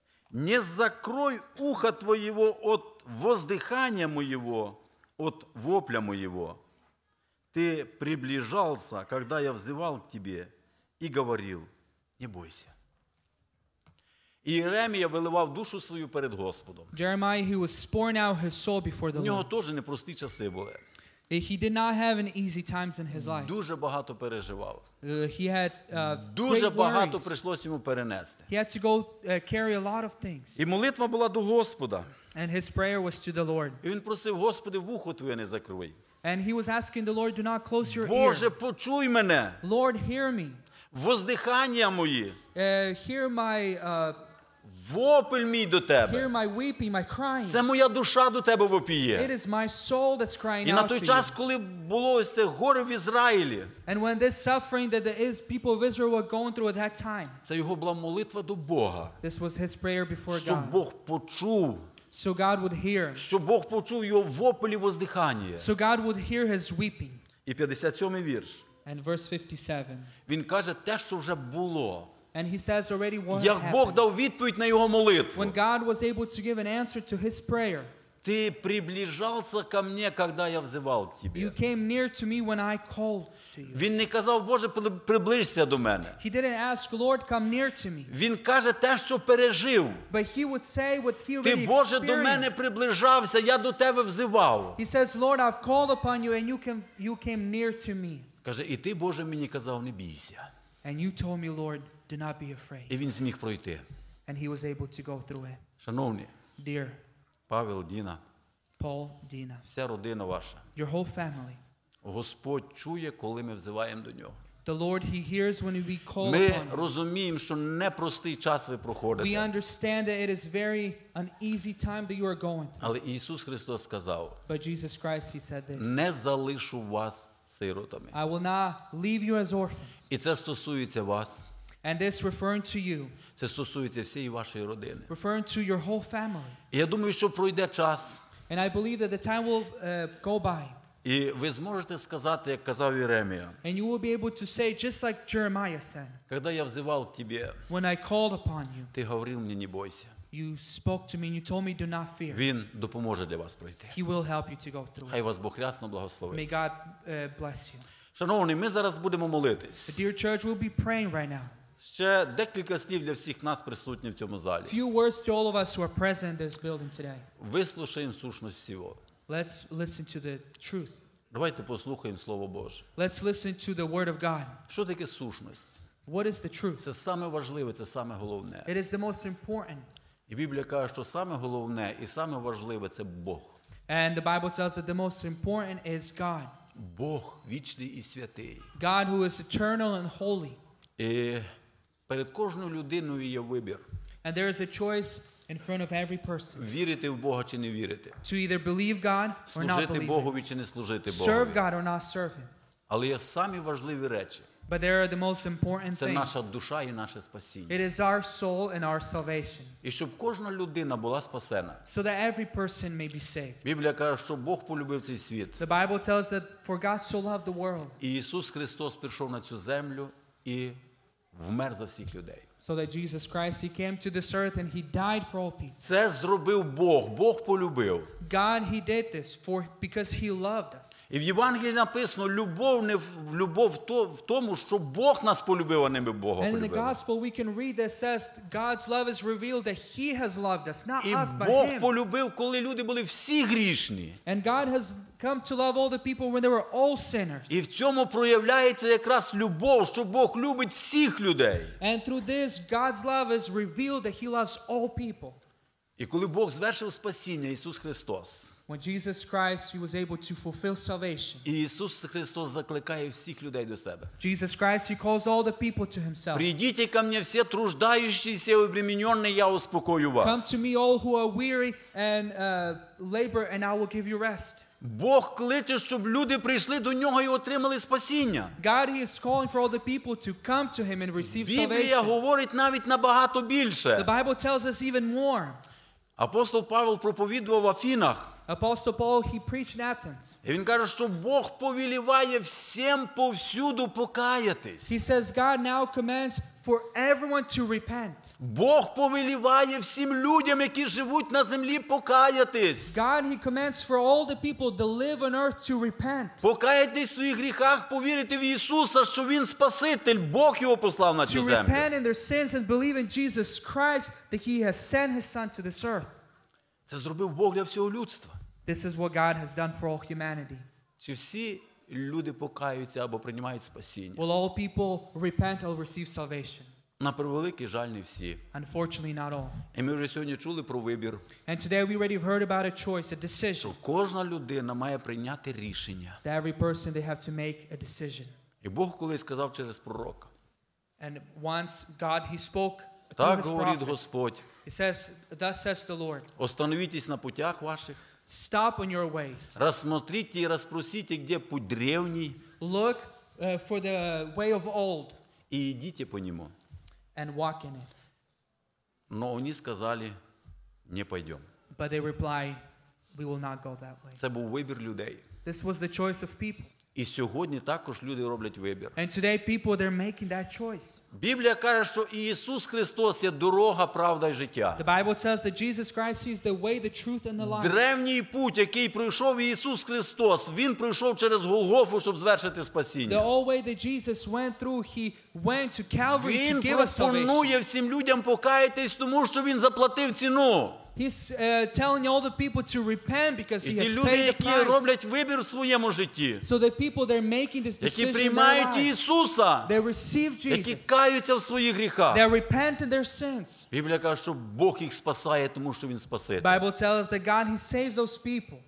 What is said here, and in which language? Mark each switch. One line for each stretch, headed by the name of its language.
Russian: Не закрой ухо твоего от воздыхания моего, от вопля моего. Ты приближался, когда я взывал к тебе и говорил, не бойся. И Иеремия выливал душу свою перед Господом.
English: Jeremiah, he was pouring out his soul before the Lord.
Russian: У него тоже непростые часы были.
English: He did not have an easy times in his life.
Ukrainian: Дуже багато переживав.
English: He had
Ukrainian: дуже багато прийшлось йому перенести.
English: He had to go carry a lot of things.
Ukrainian: І молитва була до Господа.
English: And his prayer was to the Lord.
Ukrainian: І він просив: Господи, вухо твоє не закрий.
English: And he was asking the Lord, do not close your ear.
Ukrainian: Боже, почуй мене.
English: Lord, hear me.
Ukrainian: Воздихання мої.
English: Hear my
Ukrainian: вопль мій до тебе.
English: Hear my weeping, my crying.
Ukrainian: Це моя душа до тебе вопіє.
English: It is my soul that's crying out.
Ukrainian: І на той час, коли було ось це горе в Ізраїлі.
English: And when this suffering that the people of Israel were going through at that time.
Ukrainian: Це його була молитва до Бога.
English: This was his prayer before God.
Ukrainian: Щоб Бог почув.
English: So God would hear.
Ukrainian: Щоб Бог почув його вопль і воздихання.
English: So God would hear his weeping.
Ukrainian: І 57-й вірш.
English: And verse 57.
Ukrainian: Він каже те, що вже було.
English: And he says already what
Ukrainian: Як Бог дав відповідь на його молитву.
English: When God was able to give an answer to his prayer.
Ukrainian: Ти приближався ко мені, коли я взивав тебе.
English: You came near to me when I called to you.
Ukrainian: Він не казав: Боже, приблизься до мене.
English: He didn't ask, Lord, come near to me.
Ukrainian: Він каже те, що пережив.
English: But he would say what he
Ukrainian: Ти, Боже, до мене приближався, я до тебе взивав.
English: He says, Lord, I've called upon you and you came near to me.
Ukrainian: Каже: і ти, Боже, мені казав: не бійся.
English: And you told me, Lord, do not be afraid.
Ukrainian: І він зміг пройти.
English: And he was able to go through it.
Ukrainian: Шановні,
English: dear
Ukrainian: Павел, Діна,
English: Paul, Dina,
Ukrainian: вся родина ваша,
English: your whole family,
Ukrainian: Господь чує, коли ми взиваємо до Нього.
English: The Lord, he hears when we call
Ukrainian: ми розуміємо, що непростий час ви проходите.
English: We understand that it is very uneasy time that you are going through.
Ukrainian: Але Ісус Христос сказав,
English: but Jesus Christ, he said this,
Ukrainian: не залишу вас сиротами.
English: I will not leave you as orphans.
Ukrainian: І це стосується вас.
English: And this referring to you.
Ukrainian: Це стосується всієї вашої родини.
English: Referring to your whole family.
Ukrainian: І я думаю, що пройде час.
English: And I believe that the time will go by.
Ukrainian: І ви зможете сказати, як казав Єремія.
English: And you will be able to say, just like Jeremiah said.
Ukrainian: Коли я взивав тебе.
English: When I called upon you.
Ukrainian: Ти говорив мені, не бойся.
English: You spoke to me and you told me, do not fear.
Ukrainian: Він допоможе для вас пройти.
English: He will help you to go through.
Ukrainian: Хай вас Бог рясно благословить.
English: May God bless you.
Ukrainian: Шановні, ми зараз будемо молитись.
English: The dear church, we'll be praying right now.
Ukrainian: Ще декілька слів для всіх нас присутніх в цьому залі.
English: Few words to all of us who are present in this building today.
Ukrainian: Вислухаємо сущність всього.
English: Let's listen to the truth.
Ukrainian: Давайте послухаємо слово Боже.
English: Let's listen to the word of God.
Ukrainian: Що таке сущність?
English: What is the truth?
Ukrainian: Це саме важливе, це саме головне.
English: It is the most important.
Ukrainian: І Біблія каже, що саме головне і саме важливе це Бог.
English: And the Bible tells that the most important is God.
Ukrainian: Бог вічний і святий.
English: God who is eternal and holy.
Ukrainian: І перед кожною людиною є вибір.
English: And there is a choice in front of every person.
Ukrainian: Вірити в Бога чи не вірити.
English: To either believe God or not believe.
Ukrainian: Служити Богу чи не служити Богу.
English: Serve God or not serve Him.
Ukrainian: Але є самі важливі речі.
English: But there are the most important
Ukrainian: things. Це наша душа і наше спасіння.
English: It is our soul and our salvation.
Ukrainian: І щоб кожна людина була спасена.
English: So that every person may be saved.
Ukrainian: Біблія каже, що Бог полюбив цей світ.
English: The Bible tells that for God so loved the world.
Ukrainian: І Ісус Христос прийшов на цю землю і вмер за всіх людей.
English: So that Jesus Christ, he came to this earth and he died for all people.
Ukrainian: Це зробив Бог. Бог полюбив.
English: God, he did this for because he loved us.
Ukrainian: І в Євангелії написано: любов не в любов то в тому, що Бог нас полюбив, а не ми Бога
English: полюбили. And in the gospel we can read that says God's love is revealed that he has loved us, not us, but him.
Ukrainian: І Бог полюбив, коли люди були всі грішні.
English: And God has come to love all the people when they were all sinners.
Ukrainian: І в цьому проявляється якраз любов, що Бог любить всіх людей.
English: And through this God's love is revealed that he loves all people.
Ukrainian: І коли Бог звершив спасіння, Ісус Христос.
English: When Jesus Christ he was able to fulfill salvation.
Ukrainian: І Ісус Христос закликає всіх людей до себе.
English: Jesus Christ he calls all the people to himself.
Russian: Прийдіть ко мені всі труждающиеся і обременённые, я успокою вас.
English: Come to me all who are weary and labor and I will give you rest.
Ukrainian: Бог кличе, щоб люди прийшли до нього і отримали спасіння.
English: God he is calling for all the people to come to him and receive salvation.
Ukrainian: Біблія говорить навіть набагато більше.
English: The Bible tells us even more.
Ukrainian: Апостол Павел проповідував в Афінах.
English: Apostle Paul he preached in Athens.
Ukrainian: І він каже, що Бог повіліває всім повсюду покаятись.
English: He says God now commands for everyone to repent.
Ukrainian: Бог повіліває всім людям, які живуть на землі, покаятись.
English: God he commands for all the people that live on earth to repent.
Ukrainian: Покаятись в своїх гріхах, повірити в Ісуса, що він Спаситель, Бог його послав на цю землю.
English: To repent in their sins and believe in Jesus Christ that he has sent his son to this earth.
Ukrainian: Це зробив Бог для всього людства.
English: This is what God has done for all humanity.
Ukrainian: Чи всі люди покаються або приймають спасіння?
English: Will all people repent or receive salvation?
Ukrainian: На превеликий жаль, не всі.
English: Unfortunately, not all.
Ukrainian: І ми вже сьогодні чули про вибір.
English: And today we already heard about a choice, a decision.
Ukrainian: Що кожна людина має прийняти рішення.
English: That every person, they have to make a decision.
Ukrainian: І Бог колись сказав через пророка.
English: And once God, he spoke through his prophet.
Ukrainian: Так говорить
English: Господь. He says, thus says the Lord.
Russian: Остановитесь на путях ваших.
English: Stop on your ways.
Ukrainian: Рассмотрите і розпросіть, де путь древній.
English: Look for the way of old.
Ukrainian: І йдіть по ньому.
English: And walk in it.
Ukrainian: Но вони сказали, не пойдем.
English: But they reply, we will not go that way.
Ukrainian: Це був вибір людей.
English: This was the choice of people.
Ukrainian: І сьогодні також люди роблять вибір.
English: And today people, they're making that choice.
Ukrainian: Біблія каже, що Ісус Христос є дорога, правда і життя.
English: The Bible says that Jesus Christ is the way, the truth and the life.
Ukrainian: Древній путь, який пройшов Ісус Христос, він пройшов через Голгофу, щоб звершити спасіння.
English: The old way that Jesus went through, he went to Calvary
Ukrainian: він
English: to give us salvation.
Ukrainian: Він пропонує всім людям покаятись, тому що він заплатив ціну.
English: He's telling all the people to repent because he has paid the price.
Ukrainian: Які роблять вибір в своєму житті.
English: So the people, they're making this decision.
Ukrainian: Які приймають Ісуса.
English: They receive Jesus.
Ukrainian: Які каються в своїх гріхах.
English: They repent in their sins.
Ukrainian: Біблія каже, що Бог їх спасає, тому що він спасе.
English: Bible tells us that God, he saves those people.